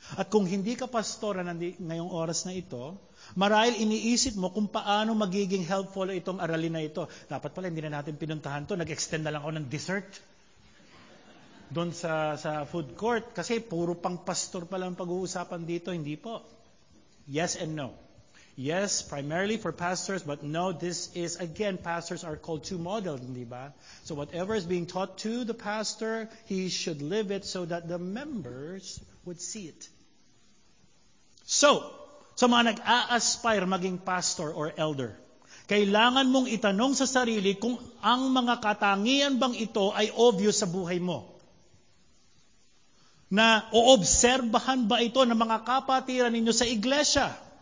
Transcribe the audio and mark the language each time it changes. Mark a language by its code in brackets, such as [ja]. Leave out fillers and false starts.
[tl] At kung hindi ka pastor ngayong oras na ito, marahil iniisip mo kung paano magiging helpful itong aralin na ito. Dapat pala hindi na natin pinuntahan to. Nag-extend na lang ako ng dessert doon sa food court. Kasi puro pang pastor pa lang pag-uusapan dito. Hindi po. Yes and no. [en] Yes, primarily for pastors, but no, this is, again, pastors are called to model, di ba? So whatever is being taught to the pastor, he should live it so that the members would see it. [tl] So, sa mga nag-a-aspire maging pastor or elder, kailangan mong itanong sa sarili kung ang mga katangian bang ito ay obvious sa buhay mo. Na oobserbahan ba ito ng mga kapatiran ninyo sa iglesia?